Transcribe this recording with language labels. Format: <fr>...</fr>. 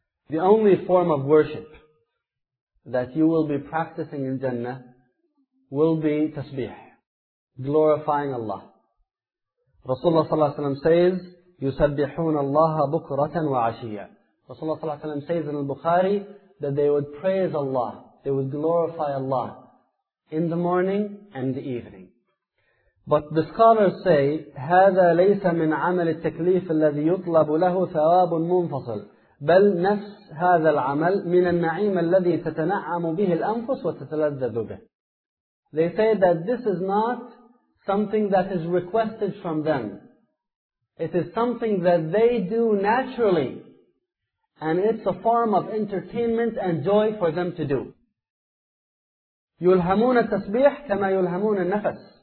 <en>The only form of worship that you will be practicing in Jannah will be tasbih, glorifying Allah. Rasulullah sallallahu alaihi wasallam says,</en> <ar>يُسَبِّحُونَ اللَّهَ بُكْرَةً وَعَشِيًّا.</ar> <en>Rasulullah sallallahu alaihi wasallam says in al-Bukhari that they would praise Allah, they would glorify Allah in the morning and the evening. But the scholars say,</en> <ar>هَذَا لَيْسَ مِنْ عَمَلِ التَّكْلِيفِ الَّذِي يُطْلَبُ لَهُ ثَوَابٌ مُنْفَصِلٌ بَلْ نَفْسْ هَذَا الْعَمَلِ مِنَ النَّعِيمَ الَّذِي تَتَنَعَّمُ بِهِ الْأَنْفُسُ وَتَتَلَذَّذُ بِهِ.</ar> <en>They say that this is not something that is requested from them. It is something that they do naturally. And it's a form of entertainment and joy for them to do.</en> <ar>يُلْهَمُونَ التَّسْبِيحَ كَمَا يُلْهَمُونَ النَّفَسِ.</ar>